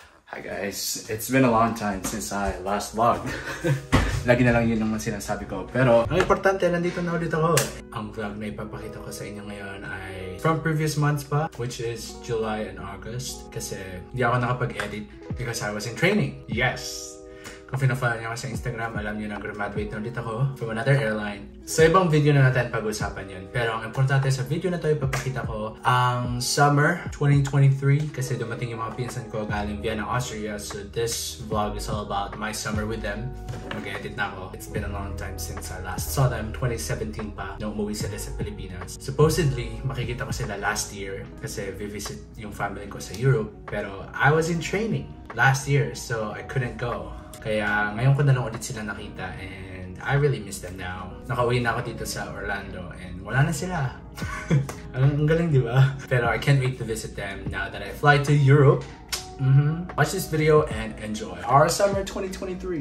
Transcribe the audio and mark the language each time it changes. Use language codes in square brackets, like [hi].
[en] Hi guys, it's been a long time since I last vlogged. [tl] Lagi na lang yun naman sinasabi ko. Pero ang importante, nandito na ulit ako. Ang vlog na ipapakita ko sa inyo ngayon ay from previous months pa, [en] which is July and August. [tl] Kasi hindi ako nakapag-edit [en] because I was in training. [tl] Yes! Kung pinafollow niyo ako sa Instagram, alam niyo na graduate na ulit ako [en] from another airline. [tl] Sa ibang video na natin pag-usapan yun. Pero ang importante sa video na to, ipapakita ko ang summer 2023 kasi dumating yung mga pinsan ko galing Vienna, Austria. [en] So this vlog is all about my summer with them. [tl] Mag-edit na ako. [en] It's been a long time since I last saw them. 2017 [tl] pa na umuwi sila sa Pilipinas. Supposedly, makikita ko sila last year kasi vivisit yung family ko sa Europe. [en] Pero I was in training last year, so I couldn't go. [tl] Kaya ngayon ko na lang ulit sila nakita [en] and I really miss them now. [tl] Naka-uwi na ako dito sa Orlando and wala na sila. Ang galing, di ba? [en] Pero I can't wait to visit them now that I fly to Europe. Watch this video and enjoy our summer 2023.